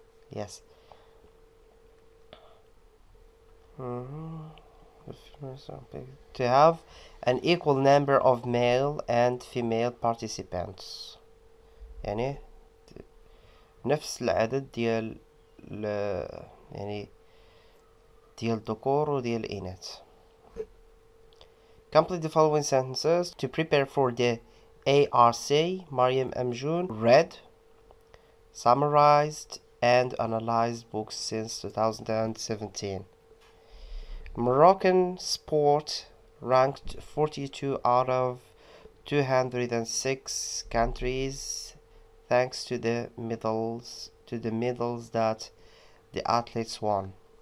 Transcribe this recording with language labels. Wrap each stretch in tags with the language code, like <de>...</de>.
<en>Yes. To have an equal number of male and female participants.</en> <ar>يعني نفس العدد ديال ل يعني ديال الذكور وديال الإناث.</ar> <en>Complete the following sentences to prepare for the ARC. مريم أمجون read, summarized and analyzed books since 2017. Moroccan sport ranked 42 out of 206 countries thanks to the medals that the athletes won.</en>